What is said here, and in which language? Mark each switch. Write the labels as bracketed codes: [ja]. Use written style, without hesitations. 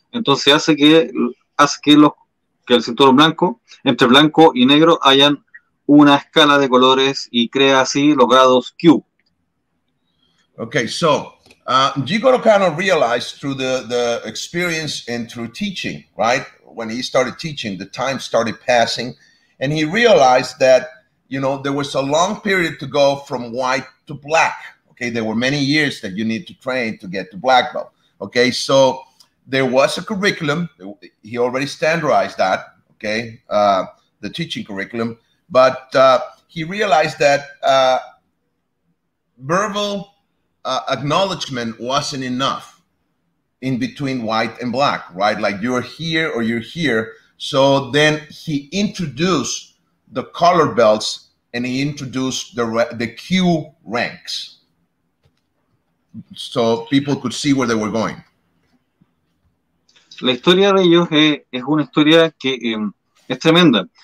[es] Entonces hace que el cinturón blanco, entre blanco y negro, hayan una escala de colores y crea así los grados Q. [en] Okay, so Jigoro Kano realized through the experience and through teaching, right? When he started teaching, the time started passing, and he realized that, there was a long period to go from white to black. Okay, there were many years that you need to train to get to black belt. Okay, so there was a curriculum. He already standardized that, okay, the teaching curriculum. But he realized that verbal acknowledgement wasn't enough in between white and black, right? Like you're here or you're here. So then he introduced the color belts and he introduced the Q ranks, so people could see where they were going. [es] La historia de ellos es una historia que es tremenda.